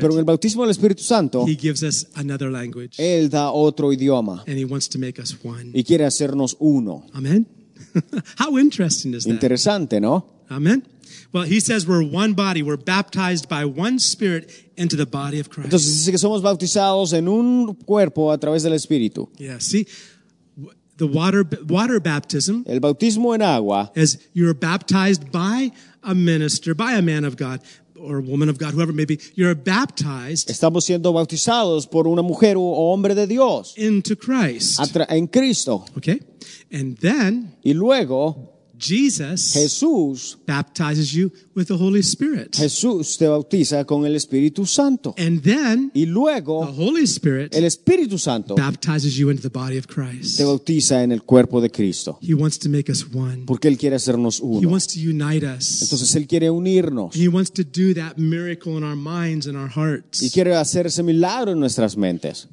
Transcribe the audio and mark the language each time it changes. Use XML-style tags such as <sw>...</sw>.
<es>pero en el bautismo del Espíritu Santo,</es> <en>he gives us another language.</en> <es>Él da otro idioma,</es> <en>and he wants to make us one.</en> <es>Y quiere hacernos uno.</es> <en>Amen. How interesting is that?</en> <es>Interesante, ¿no?</es> <en>Amen. Well, he says we're one body. We're baptized by one Spirit into the body of Christ.</en> <es>Entonces dice que somos bautizados en un cuerpo a través del Espíritu.</es> <en>Yeah, see, the water baptism.</en> <es>El bautismo en agua.</es> <en>As you're baptized by a minister, by a man of God, or woman of God, whoever it may be, you're baptized.</en> <es>Estamos siendo bautizados por una mujer o hombre de Dios.</es> <en>Into Christ.</en> <es>En Cristo.</es> <en>Okay, and then.</en> <es>Y luego.</es> <en>Jesus baptizes you with the Holy Spirit.</en> <es>Jesús te bautiza con el Espíritu Santo.</es> <en>And then,</en> <es>y luego,</es> <en>the Holy Spirit,</en> <es>el Espíritu Santo,</es> <en>baptizes you into the body of Christ.</en> <es>Te bautiza en el cuerpo de Cristo.</es> <en>He wants to make us one.</en> <es>Porque él quiere hacernos uno.</es> <en>He wants to unite us.</en> <es>Entonces él quiere unirnos.</es> <en>He wants to do that miracle in our minds and our hearts.</en> <es>Y quiere hacer ese milagro en nuestras mentes.</es>